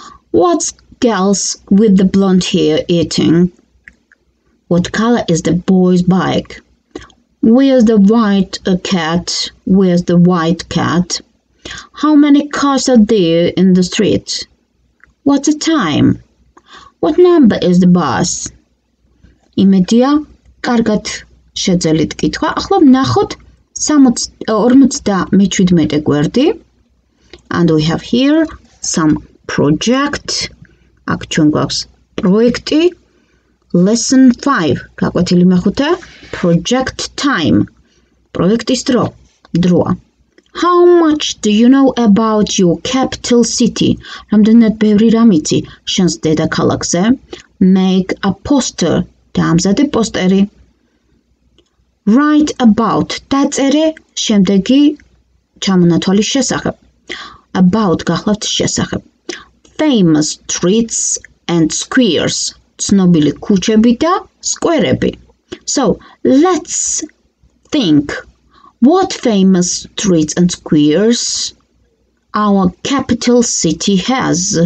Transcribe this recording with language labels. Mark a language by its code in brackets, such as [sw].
[en] What's girls with the blonde hair eating? What color is the boy's bike? Where's the white cat? Where's the white cat? How many cars are there in the street? What's the time? What number is the bus? [ka] Imedia, კარგად. შეძელით კითხვა. ახლა ვნახოთ 57 გვერდი. [en] And we have here some project. [ka] აქ ჩვენ გვაქვს პროექტი. [en] Lesson 5. [ka] გაკვეთილი მეხუთე. [en] Project time. [ka] პროექტის დრო. დროა. [en] How much do you know about your capital city? [ka] რამდენად ბევრი რამ იცი შენს დედაქალაქზე? [en] Make a poster. [ka] დაამზადე პოსტერი. [en] Write about. [ka] დაწერე შემდეგი ჩამონათვალის შესახებ. [en] About [ka] გახლავთ შესახებ. [en] Famous streets and squares. [ka] ცნობილი ქუჩები და სკვერები. [en] So, let's think. What famous streets and squares our capital city has?